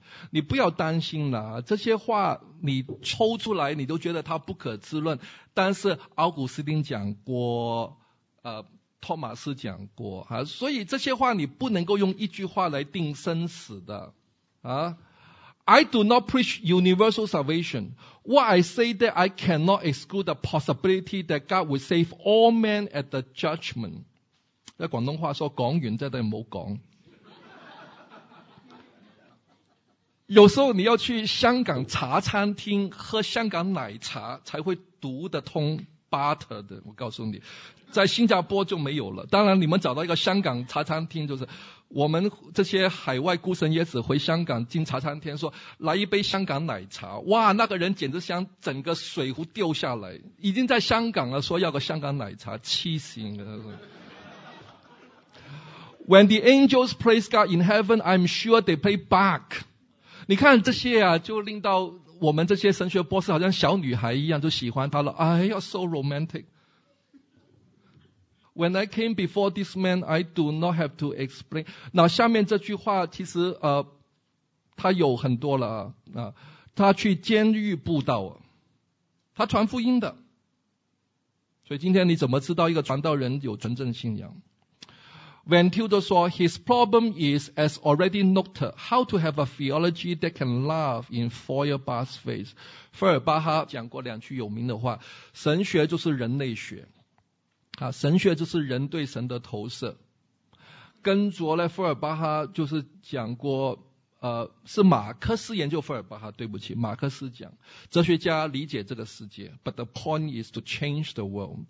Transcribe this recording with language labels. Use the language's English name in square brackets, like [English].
[Chinese] 你不要担心了，这些话你抽出来你都觉得它不可置论，但是奥古斯丁讲过，托马斯讲过啊，所以这些话你不能够用一句话来定生死的啊。 [English] I do not preach universal salvation. What I say that I cannot exclude the possibility that God will save all men at the judgment. [Chinese] 在广东话说，讲完真的唔好讲。有时候你要去香港茶餐厅喝香港奶茶才会读得通巴特的，我告诉你。在新加坡就没有了。当然你们找到一个香港茶餐厅，就是我们这些海外孤身野子回香港进茶餐厅说来一杯香港奶茶，哇，那个人简直想整个水壶丢下来，已经在香港了说要个香港奶茶，气醒了。 [English] When the angels praise God in heaven, I'm sure they play Bach. [Chinese] 你看这些啊，就令到我们这些神学博士好像小女孩一样就喜欢他了。 [English] 哎呀， so romanticWhen I came before this man, I do not have to explain. [Chinese] 那下面这句话其实他有很多了啊。他去监狱布道，他传福音的。所以今天你怎么知道一个传道人有纯正信仰？ [English] Van Tilder [Chinese] 说 [English] ,His problem is, as already noted, how to have a theology that can laugh in Feuerbach's face. [Chinese] 菲尔巴哈讲过两句有名的话，神学就是人类学。啊，神学就是人对神的投射。跟着呢，福尔巴哈就是讲过，是马克思研究福尔巴哈，对不起，马克思讲，哲学家理解这个世界 ， [English] but the point is to change the world。